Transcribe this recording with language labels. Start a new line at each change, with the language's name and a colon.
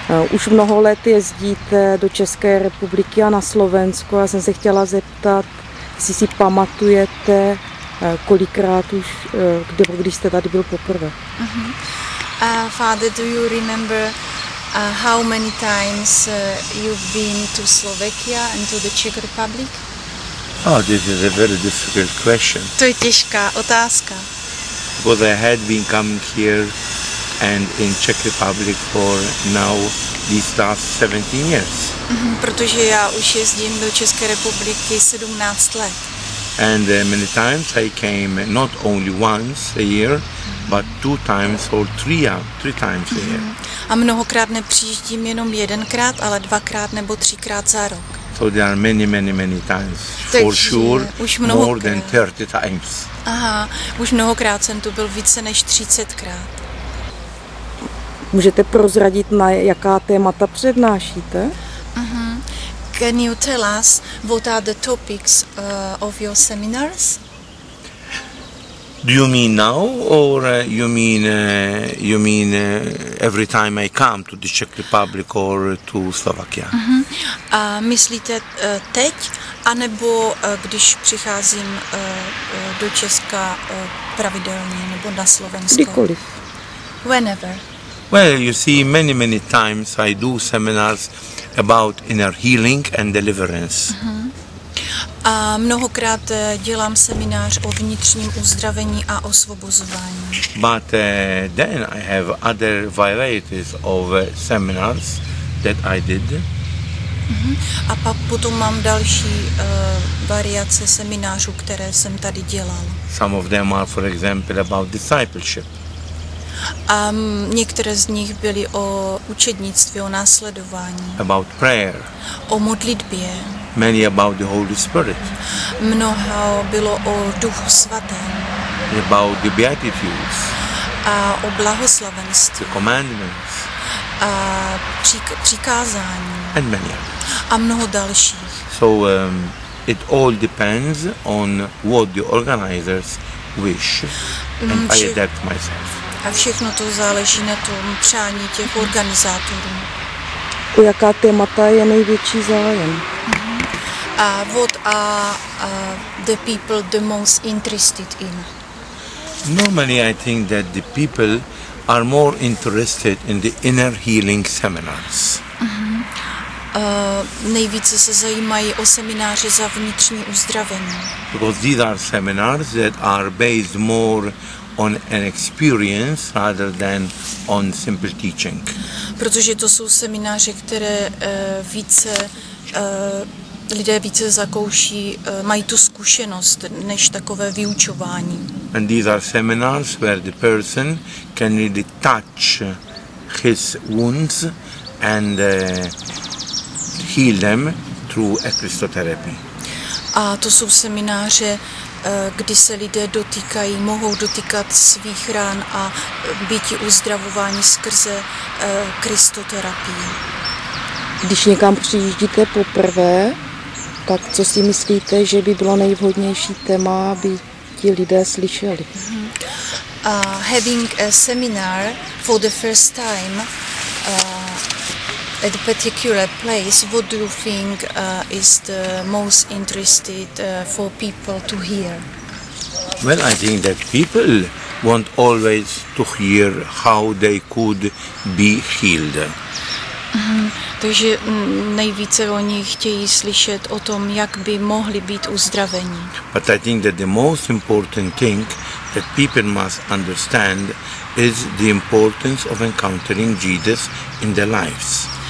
Czech: Už mnoho let jezdíte do České republiky a na Slovensko. Já jsem se chtěla zeptat, jestli si pamatujete, kolikrát už, když jste tady byl poprvé.
English: Father, do you remember how many times you've been to Slovakia and to the Czech Republic? Oh, this is a very difficult question.
Czech: To je těžká otázka.
English: Because I had been coming here and in Czech Republic for now these last 17 years.
Czech: Protože já už jezdím do České republiky 17 let.
English: And many times I came not only once a year, but two times or three times a year.
Czech: A mnohokrát nepřijíždím jenom jedenkrát, ale dvakrát nebo třikrát za rok.
English: So there are many times.
Czech: Takže
English: for sure,
Czech: už mnohokrát.
English: More than 30 times.
Czech: Aha, už mnohokrát jsem tu byl více než 30krát. Můžete prozradit, na jaká témata přednášíte?
English: Can you tell us what are the topics of your seminars? Do you mean now, or you mean every time I come to the Czech Republic or to Slovakia?
Czech: Myslíte teď, anebo když přicházím do Česka pravidelně nebo na Slovensko? Kdykoliv.
English: Whenever. Well, you see, many times I do seminars about inner healing and deliverance.
Czech: A mnohokrát dělám seminář o vnitřním uzdravení a osvobozování.
English: But then I have other varieties of seminars that I did.
Czech: A pak potom mám další variace seminářů, které jsem tady dělal.
English: Some of them are, for example, about discipleship.
Czech: A některé z nich byly o učednictví, o následování.
English: About prayer.
Czech: O modlitbě.
English: Many about the Holy Spirit.
Czech: Mnoho bylo o Duchu Svatém.
English: About the Beatitudes.
Czech: A o blahoslavenství.
English: The commandments.
Czech: A přikázání.
English: And many others.
Czech: A mnoho dalších.
English: So it all depends on what the organizers wish. And I adapt myself.
Czech: A všechno to záleží na tom přání těch organizátorů. O jaká témata je největší zájem?
English: What are the people the most interested in? Normally I think that the people are more interested in the inner healing seminars.
Czech: Nejvíce se zajímají o semináře za vnitřní uzdravení.
English: Because these are seminars that are based more on an experience rather than on simple teaching.
Czech: Protože to jsou semináře, které více lidé více zakouší, mají tu zkušenost než takové vyučování.
English: And these are seminars where the person can really touch his wounds and heal them through a crystal therapy.
Czech: A to jsou semináře, kdy se lidé dotýkají, mohou dotýkat svých rán a být uzdravováni skrze krystoterapii. Když někam přijíždíte poprvé, tak co si myslíte, že by bylo nejvhodnější téma, aby ti lidé slyšeli?
English: Having a seminar for the first time at a particular place, what do you think is the most interested for people to hear? Well, I think that people want always to hear how they could be healed.
Czech: Takže nejvíce oni chtějí slyšet o tom, jak by mohli být uzdraveni.
English: But I think that the most important thing that people must understand is the importance of encountering Jesus in their lives.